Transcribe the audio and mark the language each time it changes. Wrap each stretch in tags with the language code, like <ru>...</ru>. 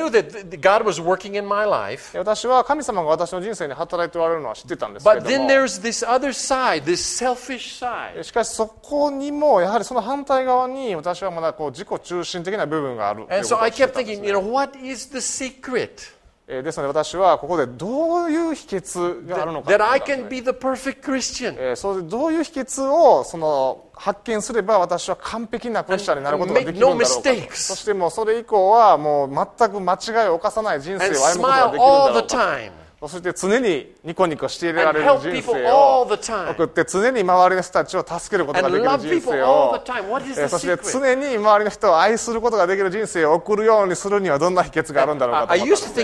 <en>That I knew that God was working in my life.</en> <ja>私は神様が私の人生に働いておられるのは知ってたんですけども。</ja> <en>But then there's this other side, this selfish side.</en> <ja>しかしそこにもやはりその反対側に私はまだこう自己中心的な部分があるということを知ってたんですね。</ja> <en>And so I kept thinking, you know, what is the secret?</en> <ja>ですので私はここでどういう秘訣があるのか、</ja> <en>that I can be the perfect Christian.</en> <ja>そうどういう秘訣をその発見すれば私は完璧なクリスチャンになることができるんだろうか、</ja> <en>make no mistakes.</en> <ja>そしてもうそれ以降はもう全く間違いを犯さない人生を歩むことができるんだろうか、そして常にニコニコしていられる人生を送って常に周りの人たちを助けることができる人生を、そして常に周りの人を愛することができる人生を送るようにするにはどんな秘訣があるんだろうかと思った</ja>